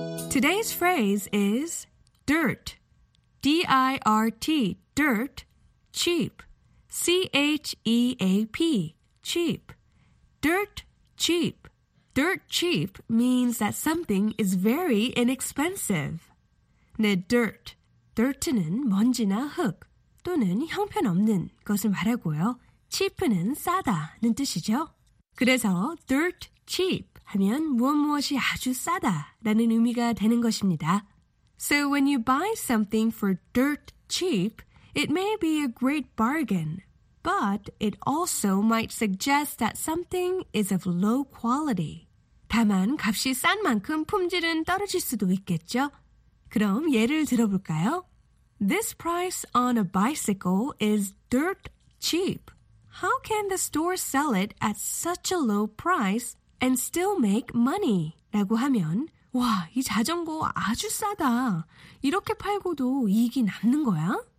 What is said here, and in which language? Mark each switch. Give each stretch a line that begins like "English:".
English: Today's phrase is dirt. D-I-R-T, dirt, cheap. C-H-E-A-P, cheap. Dirt, cheap. Dirt cheap means that something is very inexpensive.
Korean: 네, dirt. Dirt는 먼지나 흙 또는 형편없는 것을 말하고요. cheap는 싸다는 뜻이죠. 그래서 dirt cheap 하면 무엇무엇이 아주 싸다라는 의미가 되는 것입니다.
English: So when you buy something for dirt cheap, it may be a great bargain, but it also might suggest that something is of low quality.
Korean: 다만 값이 싼 만큼 품질은 떨어질 수도 있겠죠? 그럼 예를 들어볼까요?
English: This price on a bicycle is dirt cheap. How can the store sell it at such a low price and still make money?
Korean: 라고 하면 와, 이 자전거 아주 싸다. 이렇게 팔고도 이익이 남는 거야?